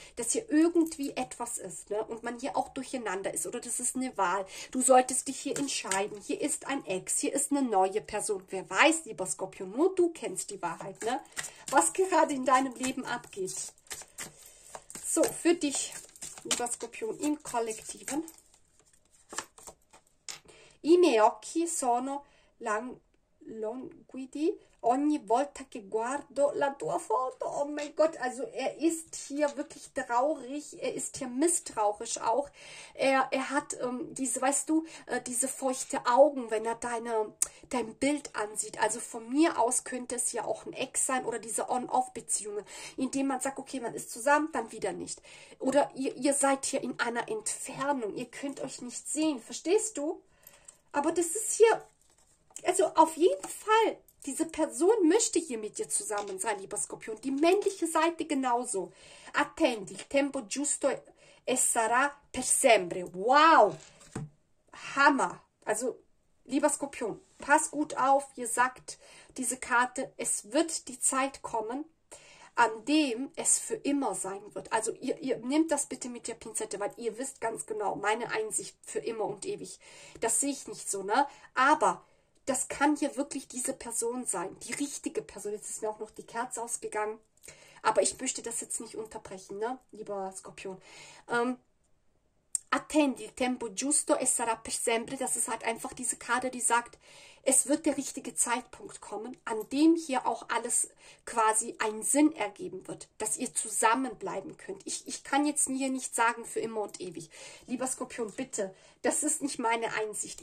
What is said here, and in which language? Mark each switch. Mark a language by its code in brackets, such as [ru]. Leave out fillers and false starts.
[de] Dass hier irgendwie etwas ist, ne? Und man hier auch durcheinander ist oder das ist eine Wahl. Du solltest dich hier entscheiden. Hier ist ein Ex, hier ist eine neue Person. Wer weiß, lieber Skorpion, nur du kennst die Wahrheit, ne? Was gerade in deinem Leben abgeht. So, für dich, lieber Skorpion, im Kollektiven. [it] I miei occhi sono languidi. Ogni volta che guardo la tua foto, [de] oh mein Gott, also er ist hier wirklich traurig, er ist hier misstrauisch auch. Er hat diese, weißt du, diese feuchte Augen, wenn er dein Bild ansieht. Also von mir aus könnte es ja auch ein Ex sein oder diese On-Off-Beziehungen, indem man sagt, okay, man ist zusammen, dann wieder nicht. Oder ihr seid hier in einer Entfernung, ihr könnt euch nicht sehen, verstehst du? Aber das ist hier, also auf jeden Fall. Diese Person möchte hier mit dir zusammen sein, lieber Skorpion. Die männliche Seite genauso. [it] Attendi, il tempo giusto e sarà per sempre. [de] Wow! Hammer. Also, lieber Skorpion, pass gut auf, ihr sagt diese Karte, es wird die Zeit kommen, an dem es für immer sein wird. Also ihr nehmt das bitte mit der Pinzette, weil ihr wisst ganz genau, meine Einsicht für immer und ewig, das sehe ich nicht so, ne? Aber das kann hier wirklich diese Person sein, die richtige Person. Jetzt ist mir auch noch die Kerze ausgegangen, aber ich möchte das jetzt nicht unterbrechen, ne? Lieber Skorpion. [it] Attendi il tempo giusto e sarà per sempre. [de] Das ist halt einfach diese Karte, die sagt, es wird der richtige Zeitpunkt kommen, an dem hier auch alles quasi einen Sinn ergeben wird, dass ihr zusammenbleiben könnt. Ich kann jetzt hier nicht sagen, für immer und ewig. Lieber Skorpion, bitte, das ist nicht meine Einsicht.